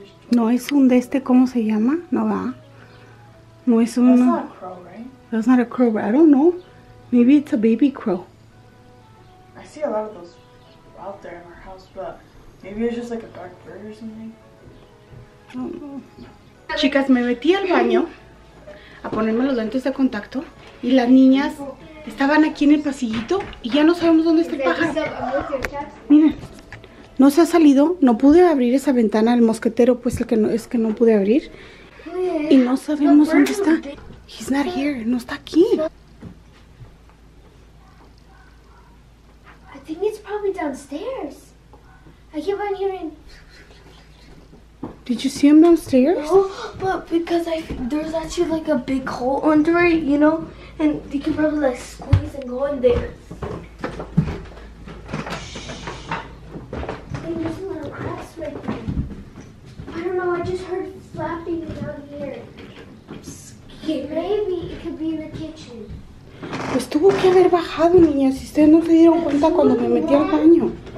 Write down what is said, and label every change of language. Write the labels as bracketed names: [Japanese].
[Spanish] No es un de este, ¿cómo se llama? No va. No es un. [English] That's not a crow, right? That's not a crow, right? I don't know. Maybe it's a baby crow. I see a lot of those out there in our house, but maybe it's just like a dark bird or something. [Spanish] Chicas, me metí al baño a ponerme los lentes de contacto y las niñas estaban aquí en el pasillito y ya no sabemos dónde está el pájaro. Miren, no se ha salido, no pude abrir esa ventana, el mosquetero pues el que no, es que no pude abrir y no sabemos dónde está. [English] He's not here, [Spanish] no está aquí. [English] I think it's probably downstairs. I keep on hearing. Did you see him downstairs? No, but because there's actually like a big hole under it, you know? And they can probably like squeeze and go in there. Shh. And there's a little cracks right there. I don't know, I just heard flapping down here. I'm scared. Maybe it could be in the kitchen. [Spanish] Pues tuvo que haber bajado, niña, si ustedes no se dieron cuenta cuando me metí al baño.